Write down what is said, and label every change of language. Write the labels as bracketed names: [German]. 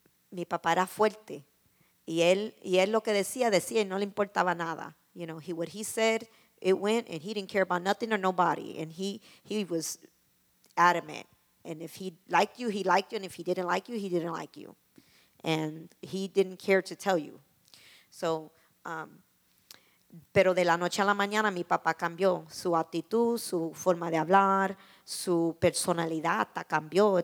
[Spanish] Mi papá era fuerte, y él lo que decía, y no le importaba nada. [English] You know, what he said, it went, and he didn't care about nothing or nobody. And he was adamant. And if he liked you, he liked you. And if he didn't like you, he didn't like you. And he didn't care to tell you. [Spanish] So, pero de la noche a la mañana, mi papá cambió su actitud, su forma de hablar, su personalidad cambió.